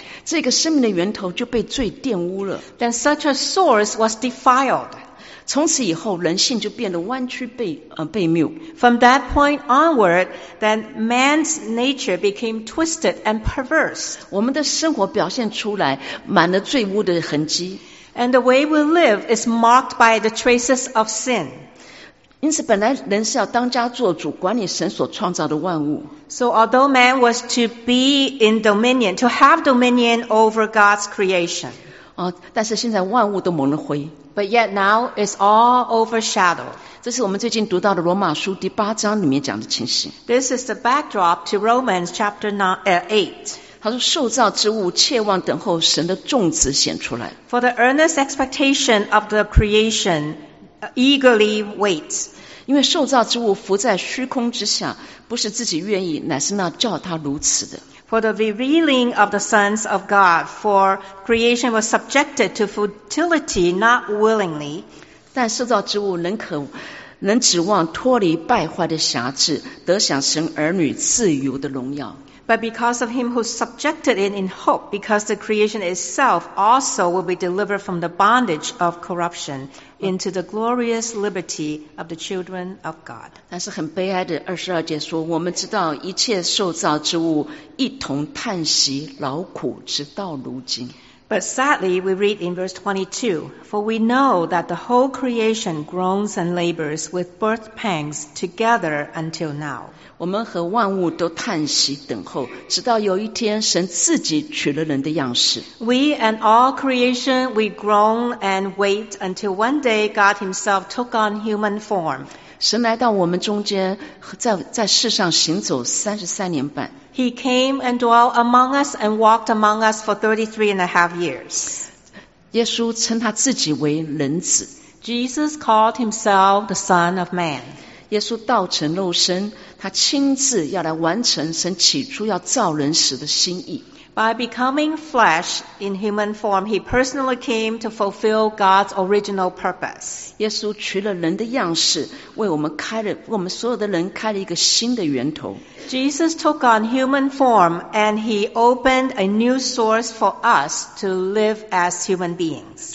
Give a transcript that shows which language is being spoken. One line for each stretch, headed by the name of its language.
Chinese: 这个生命的源头就被罪玷污了。
English: Then such a source was defiled.
Chinese: 从此以后，人性就变得弯曲悖谬。
English: From that point onward, then man's nature became twisted and perverse.
Chinese: 我们的生活表现出来满了罪污的痕迹。
English: And the way we live is marked by the traces of sin.
Chinese: 因此本来人是要当家作主管理神所创造的万物。
English: So although man was to be in dominion, to have dominion over God's creation.
Chinese: 但是现在万物都蒙了灰。
English: But yet now it's all overshadowed.
Chinese: 这是我们最近读到的罗马书第八章里面讲的情形。
English: This is the backdrop to Romans chapter 8.
Chinese: 他说受造之物切望等候神的众子显出来。
English: For the earnest expectation of the creation,eagerly waits.
Chinese: 因为受造之物浮在虚空之下，不是自己愿意，乃是那叫他如此的。
English: For the revealing of the sons of God, for creation was subjected to futility, not willingly.
Chinese: 但受造之物能指望脱离败坏的辖制，得享神儿女自由的荣耀。
English: But because of him who subjected it in hope, because the creation itself also will be delivered from the bondage of corruption into the glorious liberty of the children of God.
Chinese: 但是很悲哀的二十二节说，我们知道一切受造之物一同叹息劳苦，直到如今。
English: But sadly, we read in verse 22, for we know that the whole creation groans and labors with birth pangs together until now.
Chinese: 我们和万物都叹息等候，直到有一天神自己取了人的样式。
English: We and all creation, we groan and wait until one day God himself took on human form.
Chinese: 神来到我们中间，在世上行走33年半。
English: He came and dwelt among us and walked among us for 33.5 years.
Chinese: 耶稣称他自己为人子。
English: Jesus called himself the Son of Man.
Chinese: 耶稣道成肉身，他亲自要来完成神起初要造人时的心意。
English: By becoming flesh in human form, he personally came to fulfill God's original purpose.
Chinese: 耶稣取了人的样式，为我们所有的人开了一个新的源头。
English: Jesus took on human form and he opened a new source for us to live as human beings.